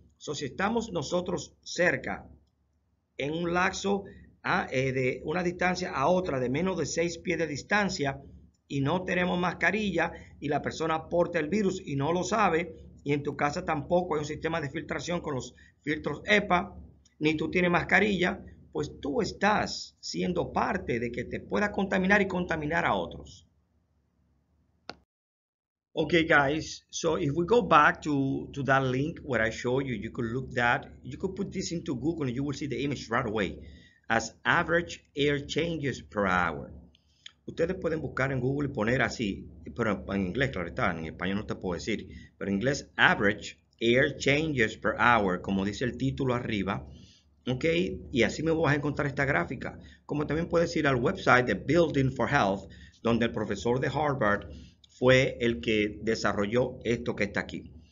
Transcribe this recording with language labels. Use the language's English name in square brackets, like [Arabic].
[Spanish] So, si estamos nosotros cerca, en un lapso de una distancia a otra, de menos de 6 pies de distancia, y no tenemos mascarilla y la persona porta el virus y no lo sabe, y en tu casa tampoco hay un sistema de filtración con los filtros HEPA, ni tú tienes mascarilla, pues tú estás siendo parte de que te pueda contaminar y contaminar a otros. [English] Okay, guys, so if we go back to that link where I showed you, you could look that, you could put this into Google and you will see the image right away as average air changes per hour. [Spanish] Ustedes pueden buscar en Google y poner así, pero en inglés, claro está, en español no te puedo decir, pero en inglés, [English] average air changes per hour, [Spanish] como dice el título arriba, ok, y así me vas a encontrar esta gráfica. Como también puedes ir al website de Building for Health, donde el profesor de Harvard fue el que desarrolló esto que está aquí.